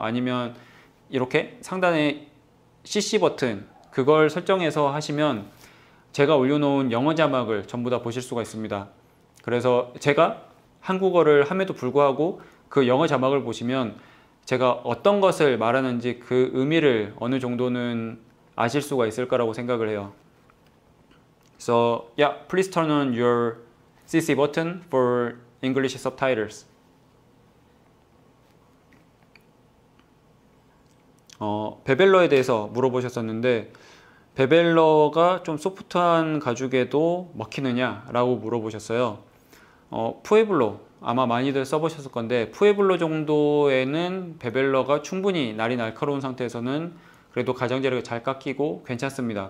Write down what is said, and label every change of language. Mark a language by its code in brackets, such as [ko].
[ko] 아니면 이렇게 상단에 CC 버튼, 그걸 설정해서 하시면 제가 올려놓은 영어 자막을 전부 다 보실 수가 있습니다. 그래서 제가 한국어를 함에도 불구하고 그 영어 자막을 보시면 제가 어떤 것을 말하는지 그 의미를 어느 정도는 아실 수가 있을 거라고 생각을 해요. [en] So, yeah, please turn on your CC button for English subtitles. [ko] 베벨러에 대해서 물어보셨었는데, 베벨러가 좀 소프트한 가죽에도 먹히느냐? 라고 물어보셨어요. 푸에블로, 아마 많이들 써보셨을 건데, 푸에블로 정도에는 베벨러가 충분히 날이 날카로운 상태에서는 그래도 가장자리가 잘 깎이고 괜찮습니다.